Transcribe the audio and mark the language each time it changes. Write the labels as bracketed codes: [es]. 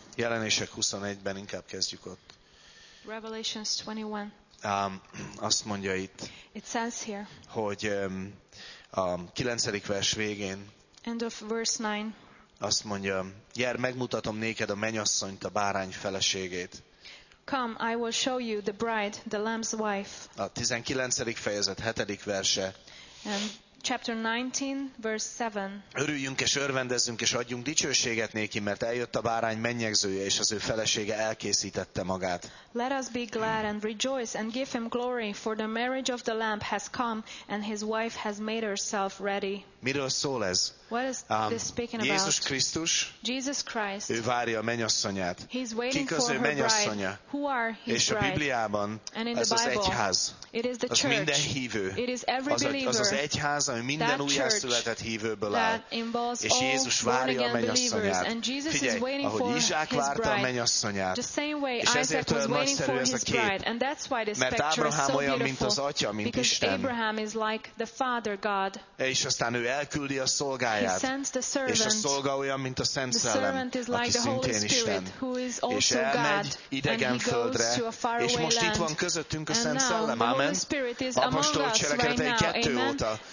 [hu] Jelenések 21-ben inkább kezdjük ott. [en] Revelations 21. [hu] Azt mondja itt. [en] It says here. [hu] Hogy a 9. vers végén. [en] End of verse 9. [hu] Azt mondja, gyere, megmutatom néked a mennyasszonyt, a bárány feleségét. [en] Come, I will show you the bride, the lamb's wife. [hu] A 19. fejezet 7. verse. [en] And Chapter 19, verse 7. [hu] Örüljünk és örvendezzünk és adjunk dicsőséget néki, mert eljött a bárány mennyegzője és az ő felesége elkészítette magát. [en] Let us be glad and rejoice and give him glory, for the marriage of the Lamb has come and his wife has made herself ready. [hu] Miről szól ez? [en] What is this speaking about? [hu] Jézus Krisztus. [en] Jesus Christ. [hu] Ő várja a mennyasszonyát. [en] He's waiting [hu] Kik az [en] for [hu] ő [en] her [hu] mennyasszonya? [en] Bride. Who are his [hu] és a Bibliában [en] bride? [hu] Ez az egyház. [en] It is the church. [hu] Az minden hívő. [en] It is every believer. [hu] Az az egyház, ami minden újjászületett hívőből áll. És Jézus várja a mennyasszonyát. Figyelj, ahogy Izsák várta a mennyasszonyát. [en] The same way Isaac was waiting for his bride. And that's why this picture is so beautiful. [hu] Olyan, mint az atya, mint [en] because [hu] Isten. [en] Abraham is like the Father God. [hu] És aztán ő elküldi a szolgáját. És a szolga olyan, mint a Szent Szellem, aki szintén Isten. És elmegy idegen földre. És most itt van közöttünk a Szent Szellem. Amen. Apostol cselekedetei 2 óta.